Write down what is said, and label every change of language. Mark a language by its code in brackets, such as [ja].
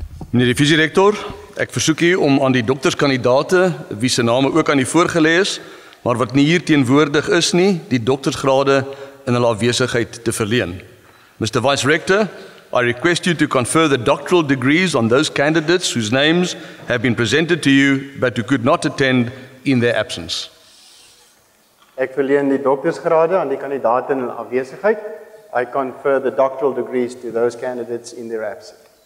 [af] Meneer de visierector, ek versoek u om aan die dokterskandidate, wie se name ook aan u voorgelees, maar wat nie hier teenwoordig is nie, die doktersgrade in hulle afwesigheid te verleen. Mr. [en] Vice Rector, I request you to confer the doctoral degrees on those candidates whose names have been presented to you, but who could not attend in their absence. [af] Ek verleen die doktersgrade aan die kandidate in hulle afwesigheid. [en] I confer the doctoral degrees to those candidates in their absence.